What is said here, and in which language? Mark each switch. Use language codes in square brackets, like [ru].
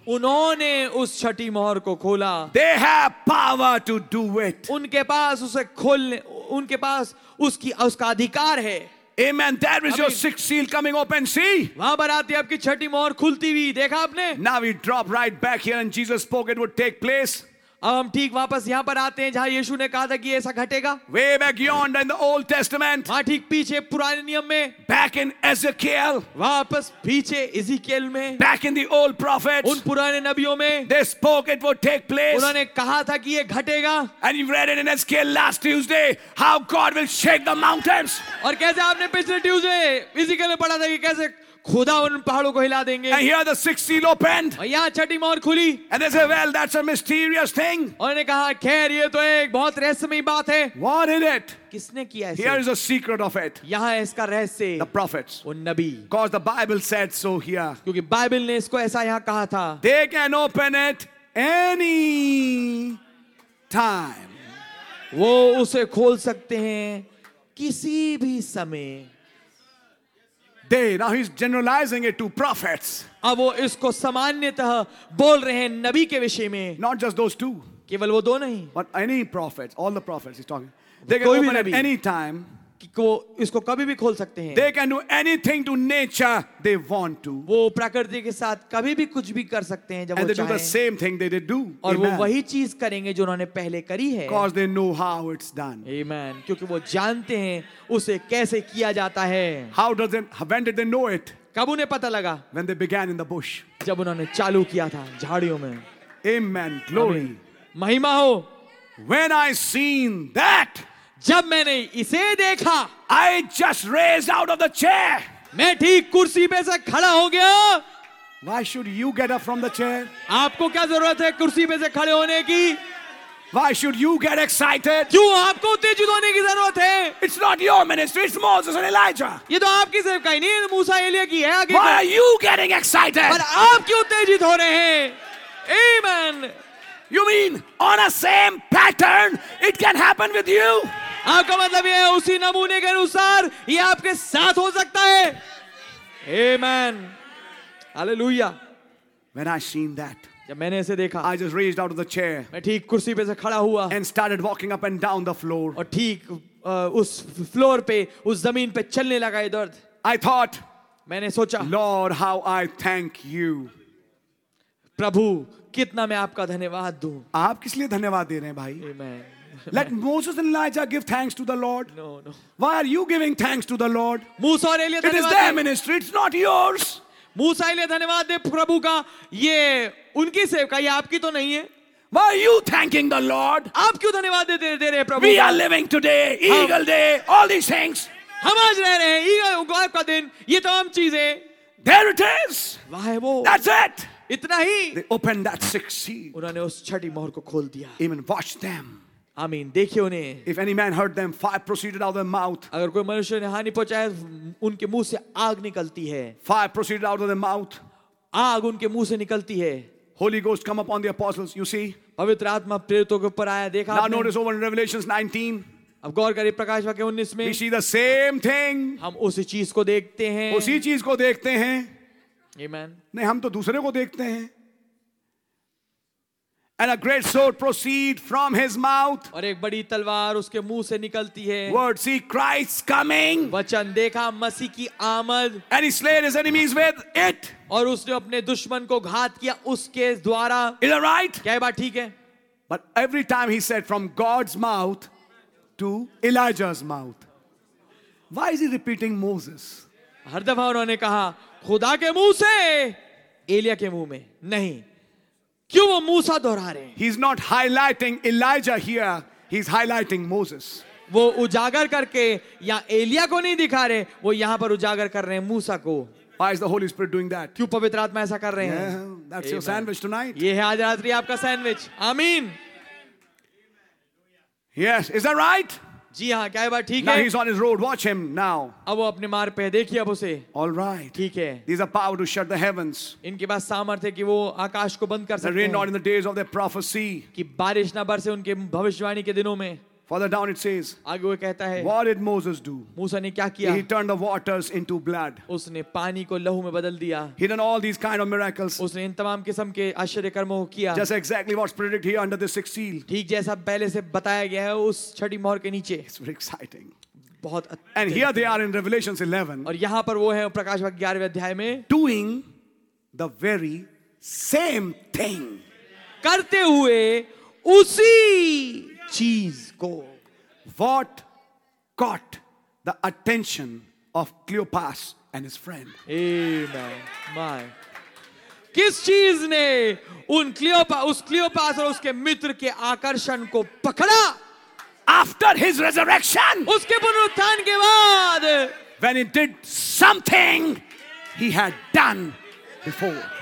[hi] उन्होंने उस छठी मोहर को खोला. [en] They have power to do it. [hi] उनके पास उसे खोलने उनके पास उसकी उसका अधिकार है. [en] Amen. That is your sixth seal coming open. See? [hi] वहाँ पर आती है आपकी छठी मोहर खुलती हुई. देखा आपने? [en] Now we drop right back here and Jesus spoke it would take place. [hi] हम ठीक वापस यहाँ पर आते हैं जहाँ यीशु ने कहा था कि ऐसा घटेगा. [en] Way back yonder in the Old Testament. [hi] वहाँ ठीक पीछे पुराने नियम में. [en] Back in Ezekiel. [hi] वापस पीछे Ezekiel में. [en] Back in the old prophets. [hi] उन पुराने नबियों में. [en] They spoke it would take place. [hi] उन्होंने कहा था कि ये घटेगा. [en] And you read it in Ezekiel last Tuesday how God will shake the mountains. [hi] और कैसे आपने पिछले ट्यूजडे Ezekiel में पढ़ा था कि कैसे खुदा उन पहाड़ों को हिला देंगे. [en] And here the sixth seal opened. [hi] यहाँ छठी मोहर खुली. [en] And they said, well, that's a mysterious thing. [hi] और ने कहा, खैर ये तो एक बहुत रहस्यमयी बात है. [en] What is it? [hi] किसने किया इसे? [en] Here is the secret of it. [hi] यहाँ इसका रहस्य. [en] The prophets. [hi] वो नबी. [en] Because the Bible said so here. [hi] क्योंकि बाइबल ने इसको ऐसा यहाँ कहा था. [en] They can open it any time. [hi] वो उसे खोल सकते हैं किसी भी समय. [en] They, now he's generalizing it to prophets. [hi] अब वो इसको सामान्यतः बोल रहे हैं नबी के विषय में. [en] Not just those two. [hi] केवल वो दो नहीं. [en] But any prophets, all the prophets he's talking. They can open at any time. [hi] कि वो इसको कभी भी खोल सकते हैं. [en] They can do anything to nature they want to. [hi] वो प्रकृति के साथ कभी भी कुछ भी कर सकते हैं जब वो चाहें. [en] And they do the same thing they did do. [hi] और वो वही चीज करेंगे जो उन्होंने पहले करी है. [en] Because they know how it's done. Amen. [hi] क्योंकि वो जानते हैं उसे कैसे किया जाता है. [en] How does it? When did they know it? [hi] कब उन्हें पता लगा? [en] When they began in the bush. [hi] जब उन्होंने चालू किया था झाड़ियों में. [en] Amen. Glory. [hi] महिमा हो. [en] When I seen that. [hi] जब मैंने इसे देखा, [en] I just raised out of the chair. [hi] मैं ठीक कुर्सी पे से खड़ा हो गया. [en] Why should you get up from the chair? [hi] आपको क्या जरूरत है कुर्सी पे से खड़े होने की? [en] Why should you get excited? [hi] क्यों आपको उत्तेजित होने की जरूरत है? [en] It's not your ministry, it's Moses and Elijah. [hi] ये तो आपकी सेवकाई नहीं है, मूसा एलिया की है. [en] Why are you getting excited? [hi] पर आप क्यों उत्तेजित हो रहे हैं? [en] Amen. You mean on a same pattern it can happen with you? [hi] आपका मतलब ये है उसी नमूने के अनुसार ये आपके साथ हो सकता है. [en] Amen. Hallelujah. When I seen that. [hi] जब मैंने इसे देखा. [en] I just raised out of the chair. [hi] मैं ठीक कुर्सी पे से खड़ा हुआ. [en] And started walking up and down the floor. [hi] और ठीक उस फ्लोर पे उस जमीन पे चलने लगा ये दर्द. [en] I thought. [hi] मैंने सोचा. [en] Lord, how I thank you. [hi] प्रभु कितना मैं आपका धन्यवाद दूं. आप किस लिए धन्यवाद दे रहे हैं भाई? [en] Amen. Let Moses and Elijah give thanks to the Lord. No. Why are you giving thanks to the Lord? [hi] मूसा और एलिया धन्यवाद. [en] It is their ministry. It's not yours. [hi] मूसा एलिया धन्यवाद दे प्रभु का. ये उनकी सेवका ये आपकी तो नहीं है. [en] Why are you thanking the Lord? [hi] आप क्यों धन्यवाद दे रहे हैं प्रभु? [en] We are living today, Eagle Day, all these things. [hi] हम आज रह रहे हैं ईगल उगाव का दिन. ये तमाम चीजें. [en] There it is. [hi] वाह है वो. [en] That's it. [hi] इतना ही. [en] They opened that sixth seal. [hi] उन्होंने उस छठी मोहर को खोल दिया. [en] Even watch them. I mean, [hi] देखिए उन्हें. [en] If any man heard them, fire proceeded out of their mouth. [hi] अगर कोई मनुष्य ने हानि पहुंचाया, उनके मुंह से आग निकलती है. [en] Fire proceeded out of their mouth. [hi] आग उनके मुंह से निकलती है. [en] Holy Ghost come upon the apostles. You see. [hi] पवित्र आत्मा प्रेरितों के ऊपर आया. देखा. [en] Now notice over in Revelation 19. [hi] अब गौर करें प्रकाश वाक्य 19 में. [en] We see the same thing. [hi] हम उसी चीज को देखते हैं. उसी चीज को देखते हैं. [en] Amen. [hi] नहीं, हम तो दूसरे को देखते हैं. [en] And a great sword proceed from his mouth. [hi] और एक बड़ी तलवार उसके मुंह से निकलती है. [en] Word see Christ coming. [hi] वचन देखा मसीह की आमद. [en] And he slayed his enemies with it. [hi] और उसने अपने दुश्मन को घात किया उसके द्वारा. [en] Is that right? [hi] क्या बात ठीक है? [en] But every time he said from God's mouth to Elijah's mouth. Why is he repeating Moses? [hi] हर दफा उन्होंने कहा खुदा के मुंह से एलिया के मुंह में नहीं. क्यों वो मूसा दोहरा रहे? [en] He's not highlighting Elijah here. He's highlighting Moses. [hi] वो उजागर करके या एलिया को नहीं दिखा रहे. वो यहाँ पर उजागर कर रहे हैं मूसा को. [en] Why is the Holy Spirit doing that? [hi] क्यों पवित्र आत्मा ऐसा कर रहे हैं? [en] That's your sandwich tonight. [hi] ये है आज रात्रि आपका सैंडविच. आमीन. [en] Yes, is that right? [hi] जी हाँ, क्या बात ठीक है? [en] Now he's on his road. Watch him now. [hi] अब वो अपने मार्ग पे, देखिए अब उसे. [en] All right. [hi] ठीक है. [en] These are power to shut the heavens. [hi] इनके पास सामर्थ्य कि वो आकाश को बंद कर सकते हैं. [en] The rain not in the days of their prophecy. [hi] कि बारिश ना बरसे उनके भविष्यवाणी के दिनों में. [en] Further down it says. [hi] आगे वो कहता है. [en] What did Moses do? [hi] मूसा ने क्या किया? [en] He turned the waters into blood. [hi] उसने पानी को लहू में बदल दिया. [en] He done all these kind of miracles. [hi] उसने इन तमाम किस्म के आश्चर्य कर्मों को किया. [en] Just exactly what's predicted here under the sixth seal. [hi] ठीक जैसा पहले से बताया गया है उस छठी मोहर के नीचे. [en] It's very exciting. [hi] बहुत. [en] And here they are in Revelation 11. [hi] और यहाँ पर वो हैं प्रकाश भाग 11वें अध्याय में. [en] Doing the very same thing. [hi] करते हुए उसी चीज को. [en] What caught the attention of Cleopas and his friend? Amen. My. [hi] किस चीज ने उन क्लियोपा उस क्लियोपास और उसके मित्र के आकर्षण को पकड़ा? [en] After his resurrection. [hi] उसके पुनरुत्थान के बाद. [en] When he did something he had done before.